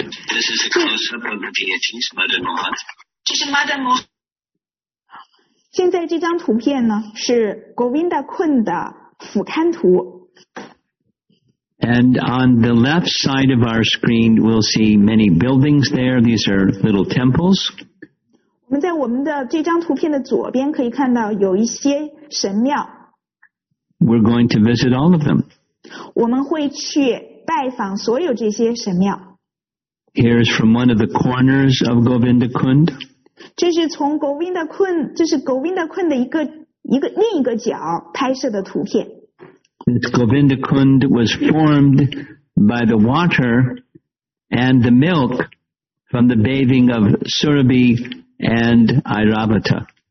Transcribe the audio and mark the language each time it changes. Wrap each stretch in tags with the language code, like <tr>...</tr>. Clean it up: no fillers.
<en>This is a close-up of the deities, Madan Mohan.</en> <zh>这是 Madan Mohan. 现在这张图片呢是 Govinda Kund 的俯瞰图。</zh> <en>And on the left side of our screen, we'll see many buildings there. These are little temples.</en> <zh>我们在我们的这张图片的左边可以看到有一些神庙。</zh> <en>We're going to visit all of them.</en> <zh>我们会去拜访所有这些神庙。</zh> <en>Here's from one of the corners of Govinda Kund.</en> <zh>这是从 Govinda Kund 这是 Govinda Kund 的一个另一个角拍摄的图片。</zh> <en>This Govinda Kund was formed by the water and the milk from the bathing of Surabhi and Airavata.</en>